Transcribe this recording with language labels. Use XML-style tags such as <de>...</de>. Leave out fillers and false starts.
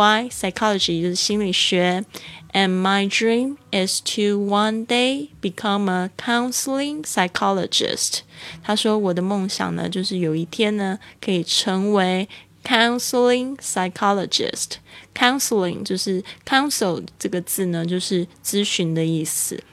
<zh>Psychology 就是心理学。</zh> <en>And my dream is to one day become a counseling psychologist.</en> <zh>他说我的梦想呢，就是有一天呢，可以成为counseling psychologist. Counseling 就是 counsel 这个字呢，就是咨询的意思。</zh>